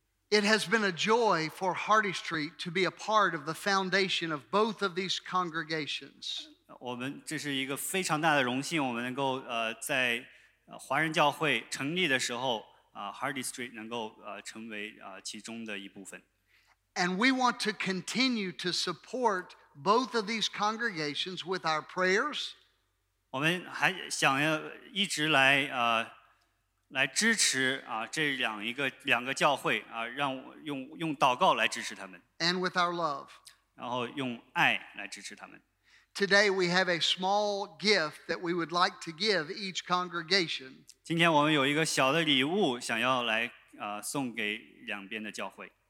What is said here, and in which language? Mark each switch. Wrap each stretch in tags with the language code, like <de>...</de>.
<en>It has been a joy for Hardy Street to be a part of the foundation of both of these congregations.</en> <zh>我们这是一个非常大的荣幸，我们能够在华人教会成立的时候。 Hardy Street 能够成为其中的一部分。</zh> <en>And we want to continue to support both of these congregations with our prayers.</en> <zh>我们还想要一直来来支持这两个教会让用祷告来支持他们。</zh> <en>And with our love.</en> <zh>然后用爱来支持他们。</zh> <en>Today we have a small gift that we would like to give each congregation.</en> <zh>今天我们有一个小的礼物想要来送给两边的教会。</zh>